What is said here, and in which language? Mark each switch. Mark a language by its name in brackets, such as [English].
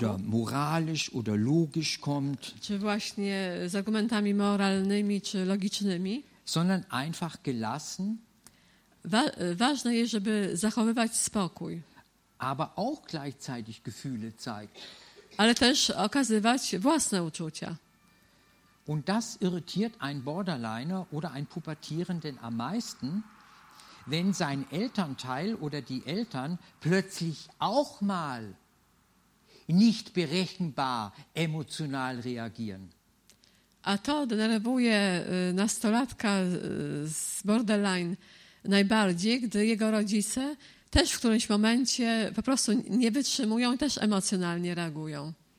[German] Oder moralisch oder logisch kommt. [Polish] Czy właśnie z argumentami moralnymi czy logicznymi. [German] Sondern einfach gelassen. [Polish] Ważne jest, żeby zachowywać spokój. [German] Aber auch gleichzeitig Gefühle zeigt. [Polish] Ale też okazywać własne uczucia. [German] Und das irritiert einen Borderliner oder einen Pubertierenden am meisten, wenn sein Elternteil oder die Eltern plötzlich auch mal nicht berechenbar emotional reagieren. [Polish] A to denerwuje nastolatka z Borderline najbardziej, gdy jego rodzice też w którymś momencie po prostu nie wytrzymują i też emocjonalnie reagują.